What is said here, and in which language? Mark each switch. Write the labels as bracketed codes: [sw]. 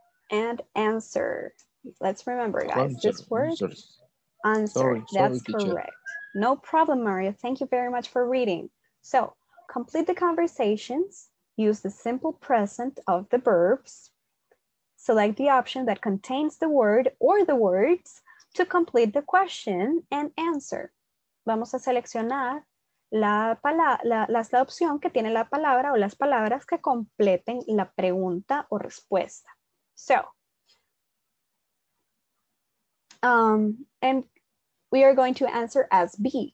[en] And answer. Let's remember, guys, answer. This word. Answers. Answer. Sorry, that's correct. No problem, Mario. Thank you very much for reading. So, complete the conversations. Use the simple present of the verbs. Select the option that contains the word or the words to complete the question and answer. [es] Vamos a seleccionar la opción que tiene la palabra o las palabras que completen la pregunta o respuesta. [en] So, and we are going to answer as B.